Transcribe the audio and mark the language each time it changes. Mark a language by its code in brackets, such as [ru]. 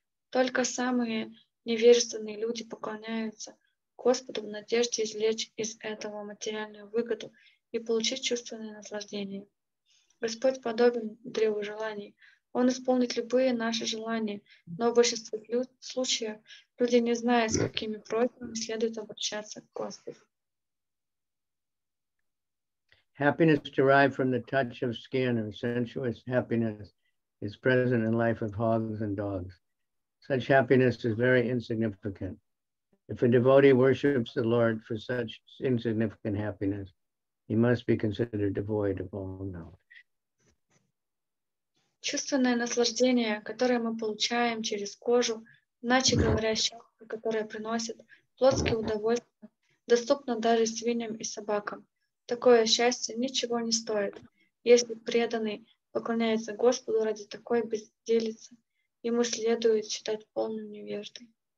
[ru] Только самые невежественные люди поклоняются Господу в надежде извлечь из этого материальную выгоду и получить чувственное наслаждение. Господь подобен древу желаний. Он исполнит любые наши желания, но в большинстве случаев люди не знают, с какими просьбами следует обращаться к Господу. [en] Happiness derived from the touch of skin or sensuous happiness is present in life of hogs and dogs. Such happiness is very insignificant. If a devotee worships the Lord for such insignificant happiness, he must be considered devoid of all knowledge. [ru] Чувственное наслаждение, которое мы получаем через кожу, иначе говоря, щека, которая приносит плотские удовольствия, доступно даже свиньям и собакам. Такое счастье ничего не стоит, если преданный поклоняется Господу ради такой безделицы, ему следует считать полной невеждой.